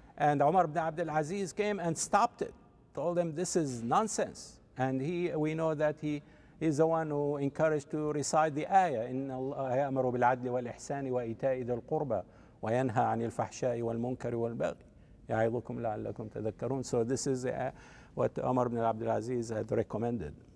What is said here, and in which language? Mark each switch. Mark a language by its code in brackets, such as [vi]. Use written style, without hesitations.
[en] And Umar ibn Abdul Aziz came and stopped it, told them this is nonsense. And we know that he is the one who encouraged to recite the ayah, [ar] إِنَّ اللَّهَ يَأْمَرُ بِالْعَدْلِ وَالْإِحْسَانِ وَإِيْتَاءِ ذِي الْقُرْبَى وَيَنْهَى عَنِ الْفَحْشَاءِ وَالْمُنْكَرِ وَالْبَغْيِ يَعِظُكُمْ لَعَلَّكُمْ تَذَكَّرُونَ. [en] So this is what Umar ibn Abdul Aziz had recommended.